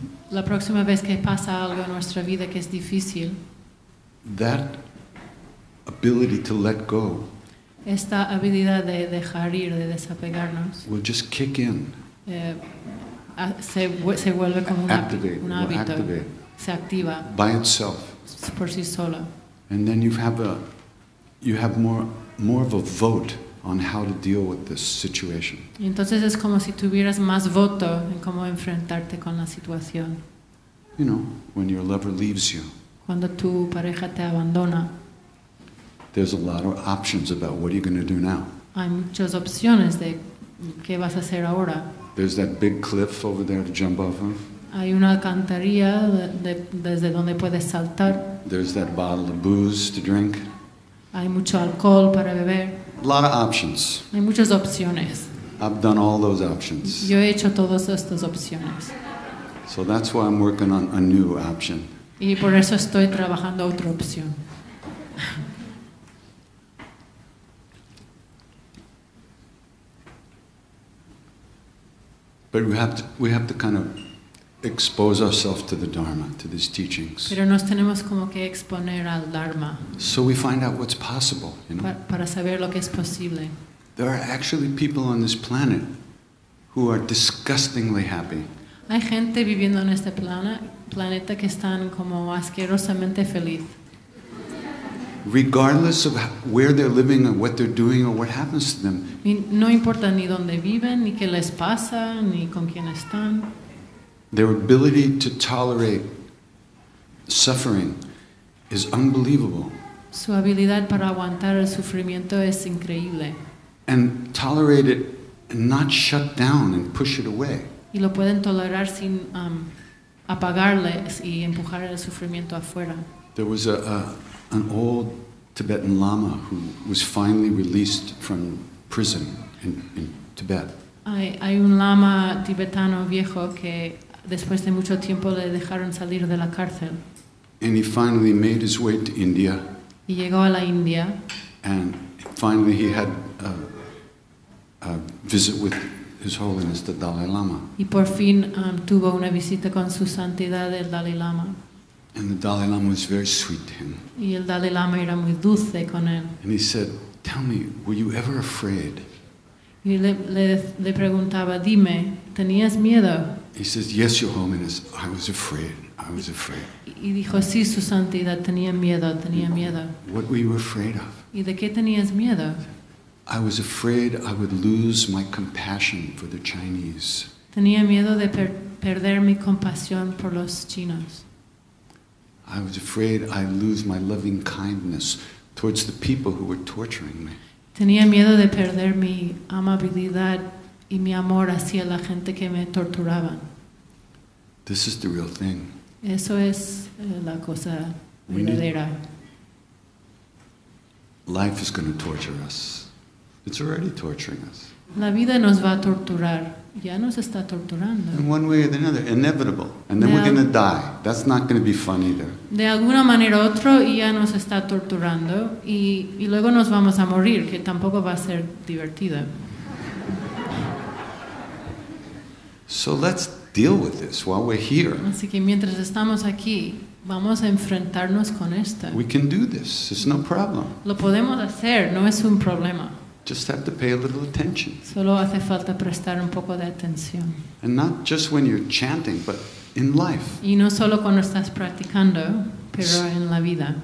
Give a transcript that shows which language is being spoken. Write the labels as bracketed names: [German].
[Spanish] La próxima vez que pasa algo en nuestra vida que es difícil. [English] That ability to let go. [Spanish] Esta habilidad de dejar ir, de desapegarnos. [English] Will just kick in. [Spanish] Se vuelve como un hábito. Se activa. [English] By itself. [Spanish] Por sí solo. [English] And then you have more of a vote on how to deal with this situation. [Spanish] Y entonces es como si tuvieras más voto en cómo enfrentarte con la situación. [English] You know, when your lover leaves you. [Spanish] Cuando tu pareja te abandona. [English] There's a lot of options about what are you going to do now. [Spanish] Hay muchas opciones de qué vas a hacer ahora. [English] There's that big cliff over there to jump off of. [Spanish] Hay una alcantarilla desde donde puedes saltar. [English] There's that bottle of booze to drink. [Spanish] Hay mucho alcohol para beber. [English] A lot of options. [Spanish] Hay muchas opciones. [English] I've done all those options. [Spanish] Yo he hecho todas estas opciones. [English] So that's why I'm working on a new option. [Spanish] Y por eso estoy trabajando otra opción. [English] But we have to kind of expose ourselves to the Dharma, to these teachings. [Spanish] Pero nos tenemos como que exponer al Dharma. [English] So we find out what's possible, you know. [Spanish] Para saber lo que es posible. [English] There are actually people on this planet who are disgustingly happy. [Spanish] Hay gente viviendo en este planeta que están como asquerosamente feliz. [English] regardless of where they're living or what they're doing or what happens to them. [Spanish] No importa ni dónde viven ni qué les pasa ni con quién están. [English] Their ability to tolerate suffering is unbelievable. [Spanish] Su habilidad para aguantar el sufrimiento es increíble. [English] And tolerate it and not shut down and push it away. [Spanish] Y lo pueden tolerar sin apagarles y empujar el sufrimiento afuera. [English] There was an old Tibetan Lama who was finally released from prison in Tibet. [Spanish] Hay un Lama tibetano viejo que después de mucho tiempo le dejaron salir de la cárcel. [English] And he finally made his way to India. [Spanish] Y llegó a la India. [English] And finally he had a visit with His Holiness the Dalai Lama. [Spanish] Y por fin tuvo una visita con su santidad el Dalai Lama. [English] And the Dalai Lama was very sweet to him. [Spanish] Y el Dalai Lama era muy dulce con él. [English] And he said, "Tell me, were you ever afraid?" [Spanish] Y le preguntaba, "Dime, ¿tenías miedo?" [English] He says, "Yes, Your Holiness, I was afraid. I was afraid." [Spanish] Y dijo, "Sí, su santidad, tenía miedo." [English] "What were you afraid of?" [Spanish] ¿Y de qué tenías miedo? [English] "I was afraid I would lose my compassion for the Chinese." [Spanish] Tenía miedo de perder mi compasión por los chinos. [English] "I was afraid I'd lose my loving kindness towards the people who were torturing me." [Spanish] Tenía miedo de perder mi amabilidad y mi amor hacia la gente que me torturaban. [English] This is the real thing. [Spanish] Eso es la cosa verdadera. [English] Life is going to torture us. It's already torturing us. [Spanish] La vida nos va a torturar. Ya nos está torturando. [English] In one way or another, inevitable. And then we're going to die. That's not going to be fun either. [Spanish] De alguna manera u otro, ya nos está torturando. Y luego nos vamos a morir, que tampoco va a ser divertido. [English] So let's deal with this while we're here. [Spanish] Así que mientras estamos aquí, vamos a enfrentarnos con esto. [English] We can do this. It's no problem. [Spanish] Lo podemos hacer. No es un problema. [English] Just have to pay a little attention. [Spanish] Solo hace falta prestar un poco de atención. [English] And not just when you're chanting, but in life. [Spanish] Y no solo cuando estás practicando, pero en la vida.